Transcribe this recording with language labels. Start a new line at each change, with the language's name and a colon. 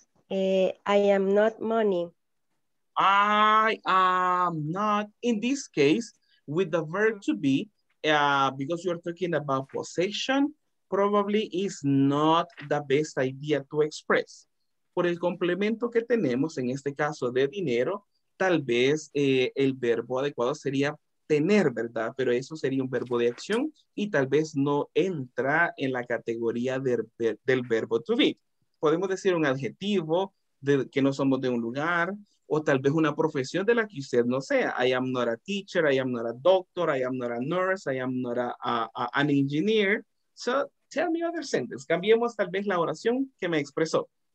English: I am not money. I am not, in this case, with the verb to be, because you are talking about possession, probably is not the best idea to express.
Spanish: Por el complemento que tenemos, en este caso de dinero, tal vez el verbo adecuado sería tener, ¿verdad? Pero eso sería un verbo de acción y tal vez no entra en la categoría del verbo to be. Podemos decir un adjetivo, que no somos de un lugar, o tal vez una profesión de la que usted no sea.
English: I am not a teacher, I am not a doctor, I am not a nurse, I am not an engineer. So tell me other sentences.
Spanish: Cambiemos tal vez la oración que me expresó.